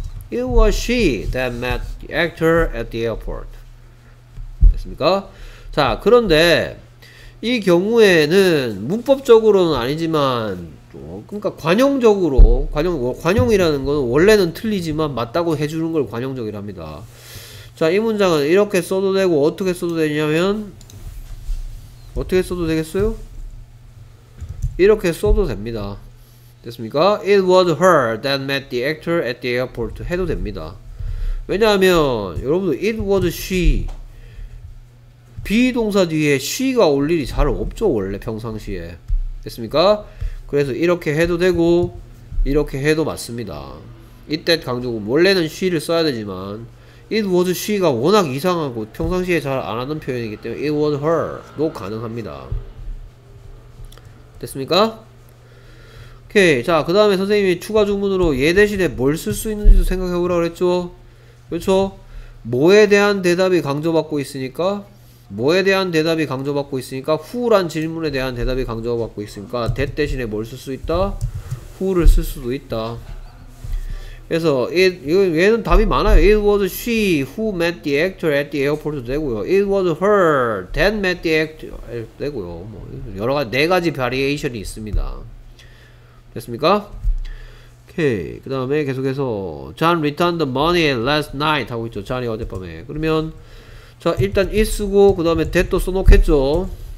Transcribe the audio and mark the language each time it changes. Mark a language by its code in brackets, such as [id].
[en] It was she that met the actor at the airport. [ko] 됐습니까? 자, 그런데 이 경우에는 문법적으로는 아니지만 그러니까 관용적으로 관용이라는 건 원래는 틀리지만 맞다고 해주는 걸 관용적이라 합니다. 자, 이 문장은 이렇게 써도 되고 어떻게 써도 되냐면 어떻게 써도 되겠어요? 이렇게 써도 됩니다. 됐습니까? [en] It was her that met the actor at the airport [ko] 해도 됩니다. 왜냐하면 여러분들 [en] it was she [ko] be 동사 뒤에 she가 올 일이 잘 없죠. 원래 평상시에 됐습니까? 그래서 이렇게 해도 되고 이렇게 해도 맞습니다. it that 강조구 원래는 she를 써야 되지만 [en] it was she [ko] 가 워낙 이상하고 평상시에 잘 안 하는 표현이기 때문에 [en] it was her [ko] 도 가능합니다. 됐습니까? 오케이. 자, 그 다음에 선생님이 추가 주문으로 얘 대신에 뭘 쓸 수 있는지도 생각해보라고 그랬죠. 그렇죠? 뭐에 대한 대답이 강조받고 있으니까 뭐에 대한 대답이 강조받고 있으니까 후란 질문에 대한 대답이 강조받고 있으니까 that 대신에 뭘쓸수 있다? who를 쓸 수도 있다. 그래서 얘는 답이 많아요. [en] It was she who met the actor at the airport [ko] 되고요. [en] It was her that met the actor [ko] 되고요. 뭐 여러 가지 네 가지 바리에이션이 있습니다. 됐습니까? 오케이. 그 다음에 계속해서 [en] John returned the money last night [ko] 하고 있죠. John이 어젯밤에. 그러면 자 일단 it 쓰고 그 다음에 that도 써놓겠죠.